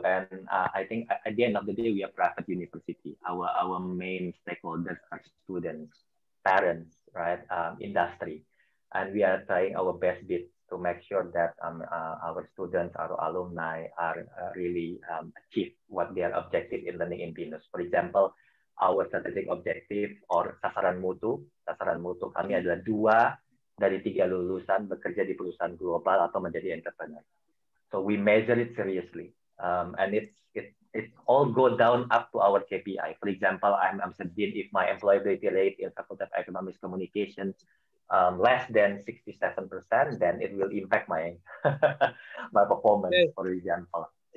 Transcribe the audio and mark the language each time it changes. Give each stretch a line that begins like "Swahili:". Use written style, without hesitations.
English: And I think at the end of the day, we are private university. Our main stakeholders are students, parents, right? Industry, and we are trying our best bit to make sure that our students, our alumni are really achieve what their objective in learning in BINUS. For example, our strategic objective or
Indonesian: sasaran mutu kami adalah 2 dari 3 lulusan bekerja di perusahaan global atau menjadi entrepreneur.
English: So we measure it seriously. And it all go down up to our KPI. For example, I'm certain if my employability rate in Faculty of Economics Communication less than 67%, then it will impact my performance. Okay. For example,